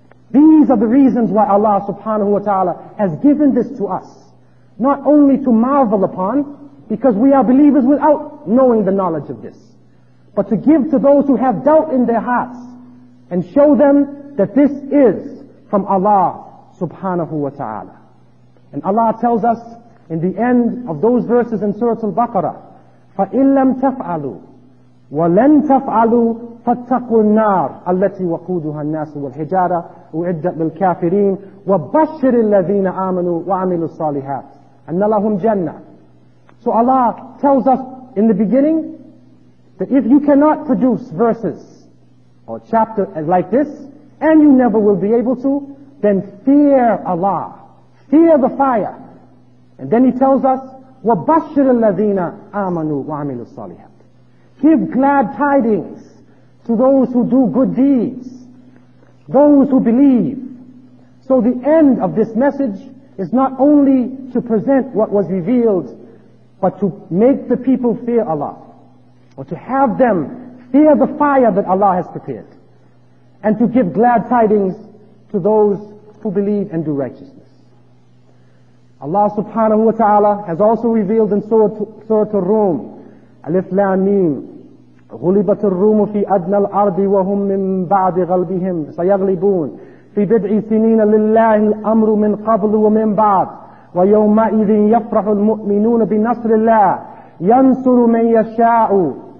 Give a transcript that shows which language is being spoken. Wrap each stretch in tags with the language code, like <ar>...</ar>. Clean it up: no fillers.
<en>These are the reasons why Allah subhanahu wa ta'ala has given this to us. Not only to marvel upon, because we are believers without knowing the knowledge of this, but to give to those who have doubt in their hearts and show them that this is from Allah subhanahu wa ta'ala. And Allah tells us in the end of those verses in Surah Al-Baqarah,</en> <ar>فَإِنْ لَمْ تَفْعَلُوا وَلَنْ تَفْعَلُوا فَاتَّقُوا النَّارَ الَّتِي وَقُودُهَا النَّاسُ وَالْحِجَارَةُ أُعِدَّتْ لِلْكَافِرِينَ وَبَشِّرِ الَّذِينَ آمَنُوا وَعَمِلُوا الصَّالِحَاتِ أَنَّ لَهُمْ جَنَّةً.</ar> <en>So Allah tells us in the beginning that if you cannot produce verses or chapter like this, and you never will be able to, then fear Allah. Fear the fire. And then He tells us,</en> <ar>وَبَشِّرِ الَّذِينَ آمَنُوا وَعَمِلُوا الصَّالِحَاتِ.</ar> <en>Give glad tidings to those who do good deeds, those who believe. So the end of this message is not only to present what was revealed, but to make the people fear Allah, or to have them fear the fire that Allah has prepared, and to give glad tidings to those who believe and do righteousness. Allah subhanahu wa ta'ala has also revealed in Surah Ar-Rum, Alif Lam Mim,</en> <ar>غلبت الروم في أدنى الأرض وهم من بعد غلبهم سيغلبون في بضع سنين لله الأمر من قبل ومن بعد ويومئذ يفرح المؤمنون بنصر الله ينصر من يشاء</ar>